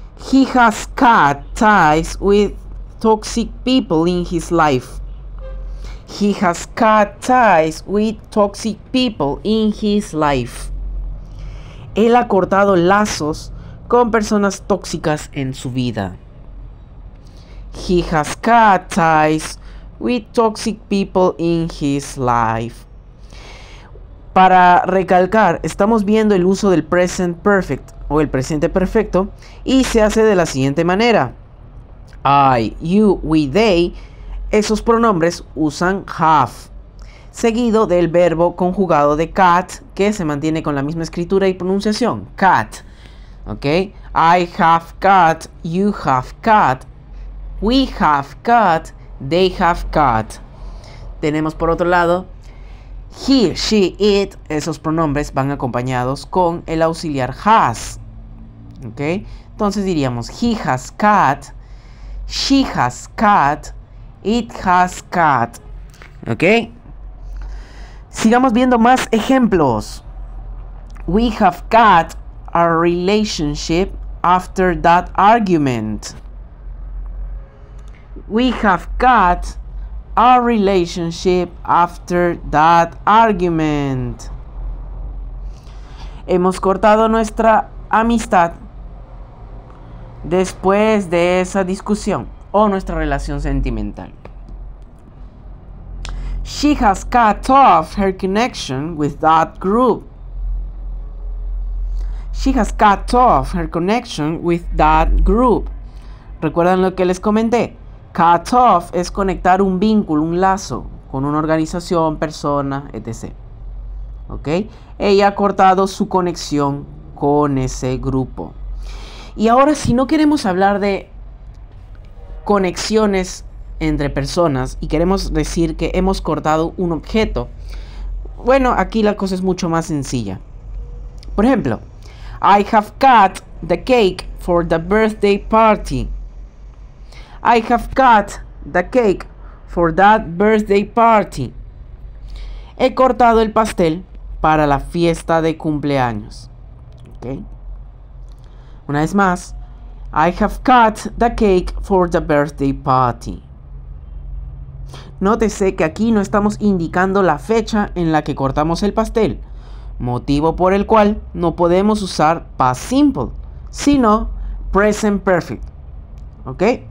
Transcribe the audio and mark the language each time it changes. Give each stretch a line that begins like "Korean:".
English: He has cut ties with toxic people in his life. He has cut ties with toxic people in his life.
Spanish: Él ha cortado lazos con personas tóxicas en su vida.
English: He has cut ties with toxic people in his life.
Spanish: Para recalcar, estamos viendo el uso del present perfect o el presente perfecto y se hace de la siguiente manera.
English: I, you, we, they.
Spanish: Esos pronombres usan have, seguido del verbo conjugado de cut, que se mantiene con la misma escritura y pronunciación, cut. ¿Ok?
English: I have cut, you have cut, we have cut, they have cut.
Spanish: Tenemos por otro lado,
English: he, she, it,
Spanish: esos pronombres van acompañados con el auxiliar has.
English: ¿Ok?
Spanish: Entonces diríamos,
English: he has cut, she has cut, it has cut. ¿Ok?
Spanish: Sigamos viendo más ejemplos.
English: We have cut our relationship after that argument. We have cut our relationship after that argument.
Spanish: Hemos cortado nuestra amistad después de esa discusión o nuestra relación sentimental.
English: She has cut off her connection with that group. She has cut off her connection with that group.
Spanish: ¿Recuerdan lo que les comenté? Cut off es conectar un vínculo, un lazo con una organización, persona, etc. ¿Ok? Ella ha cortado su conexión con ese grupo. Y ahora, si no queremos hablar de conexiones entre personas y queremos decir que hemos cortado un objeto, bueno, aquí la cosa es mucho más sencilla. Por ejemplo,
English: I have cut the cake for the birthday party. I have cut the cake for that birthday party.
Spanish: He cortado el pastel para la fiesta de cumpleaños. ¿Okay? Una vez más,
English: I have cut the cake for the birthday party.
Spanish: Nótese que aquí no estamos indicando la fecha en la que cortamos el pastel, motivo por el cual no podemos usar past simple, sino present perfect. ¿Ok?